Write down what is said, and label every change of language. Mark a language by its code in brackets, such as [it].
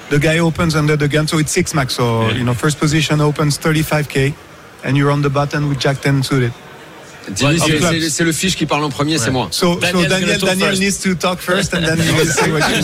[en] The guy opens under the gun, so it's 6 max. So, yeah. You know, first position opens 35K, and you're on the button with Jack 10 suited. [fr] C'est le fiche qui parle en premier, c'est moi. [en] So Daniel needs to talk first, and then you will say what you